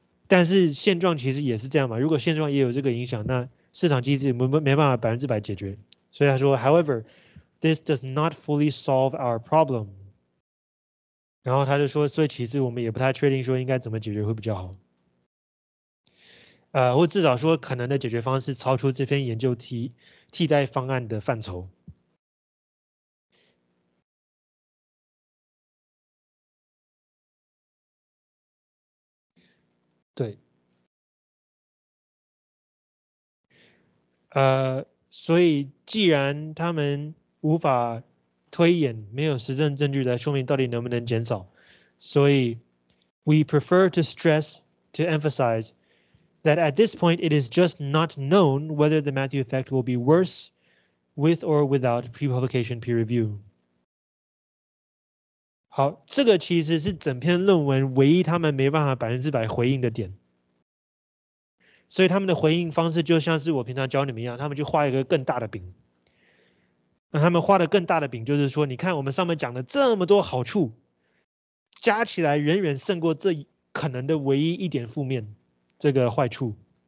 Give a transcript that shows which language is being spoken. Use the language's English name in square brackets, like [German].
[Chinese] 但是现状其实也是这样嘛，如果现状也有这个影响，那市场机制没办法百分之百解决。所以他说 [English] ,However, this does not fully solve our problem. [Chinese] 然后他就说，所以其实我们也不太确定说应该怎么解决会比较好。或至少说可能的解决方式超出这篇研究替代方案的范畴。对。所以既然他们无法推演，没有实证证据来说明到底能不能减少，所以 [English] we prefer to stress to emphasize that at this point it is just not known whether the Matthew effect will be worse with or without pre-publication peer review. [Chinese] 好，这个其实是整篇论文唯一他们没办法百分之百回应的点。所以他们的回应方式就像是我平常教你们一样，他们就画一个更大的饼。那他们画的更大的饼就是说，你看我们上面讲的这么多好处，加起来远远胜过这可能的唯一一点负面，这个坏处。